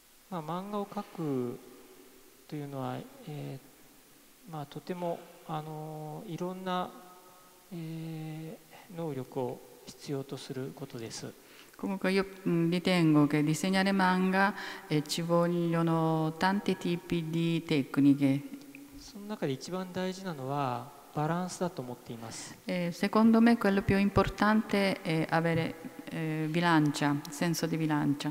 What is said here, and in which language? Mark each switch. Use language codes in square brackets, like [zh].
[ja] まあ漫画を描くというのは、まあとてもいろんな、能力を必要とすることです。 [it] Comunque io ritengo che disegnare manga ci vogliono tanti tipi di tecniche. [ja] その中で一番大事なのはバランスだと思っています。 [it] Secondo me quello più importante è avere bilancia, senso di bilancia.